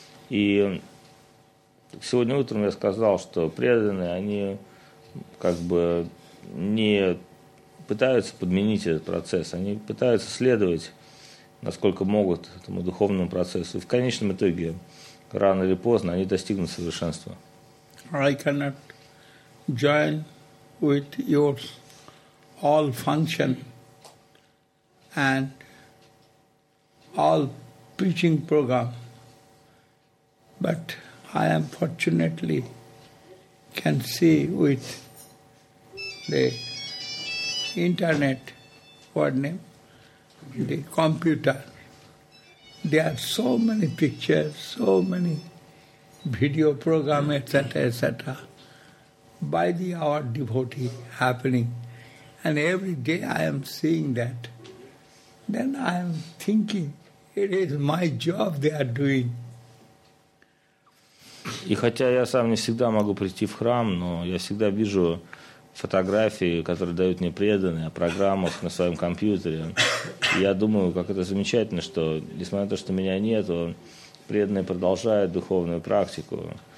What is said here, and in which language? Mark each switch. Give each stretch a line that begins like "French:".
Russian: И сегодня утром я сказал, что преданные, они как бы не пытаются подменить этот процесс, они пытаются следовать, насколько могут, этому духовному процессу. И в конечном итоге, рано или поздно, они достигнут совершенства.
English: I cannot join with your all function and all preaching program, but I am fortunately can see with the internet, the computer, there are so many pictures, so many video program, etc., etc. by the our devotee happening, and every day I am seeing that, then I am thinking it is my job they are doing.
Russian: И хотя я сам не всегда могу прийти в храм, но я всегда вижу фотографии, которые дают мне преданные, о программах на своем компьютере. И я думаю, как это замечательно, что, несмотря на то, что меня нет, преданные продолжают духовную практику.